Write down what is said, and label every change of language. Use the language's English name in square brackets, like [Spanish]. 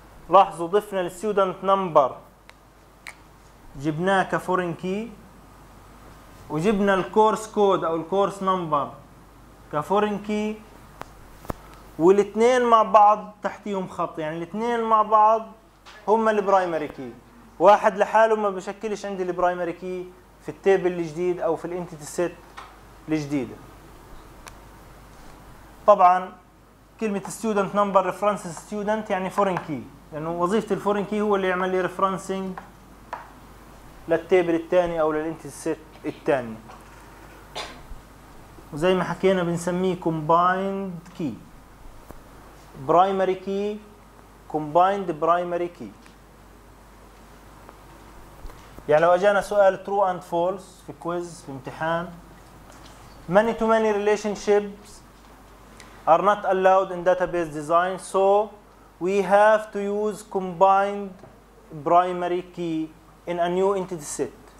[Arabic] لاحظوا ضفنا الستودنت نمبر جبناه كفورين كي، وجبنا الكورس كود او الكورس نمبر كفورين كي، والاثنين مع بعض تحتيهم خط، يعني الاثنين مع بعض هم البرايمري كي، واحد لحاله ما بشكلش عندي البرايمري كي في التيبل الجديد او في الانتيتي ست الجديده. طبعا كلمة [English] student number reference student [Arabic] يعني foreign key، لأنه وظيفة الفورين كي هو اللي يعمل لي referencing للتيبل الثاني أو للانتيتي ست الثاني. وزي ما حكينا بنسميه combined key، primary key combined primary key. يعني لو أجانا سؤال [English] true and false [Arabic] في كويز في امتحان [English] many to many relationships are not allowed in database design, so we have to use combined primary key in a new entity set.